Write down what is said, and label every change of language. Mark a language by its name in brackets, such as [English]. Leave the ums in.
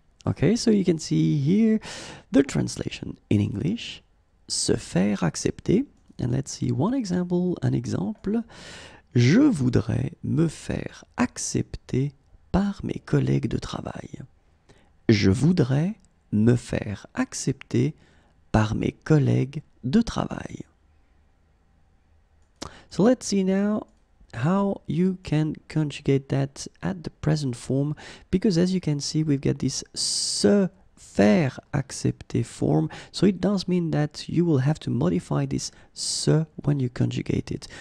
[English] Okay, so you can see here the translation in English. Se faire accepter. And let's see one example, an example. [French] Je voudrais me faire accepter par mes collègues de travail. Je voudrais me faire accepter par mes collègues de travail. [English] So let's see now how you can conjugate that at the present form because as you can see we've got this se faire accepter form so it does mean that you will have to modify this se when you conjugate it.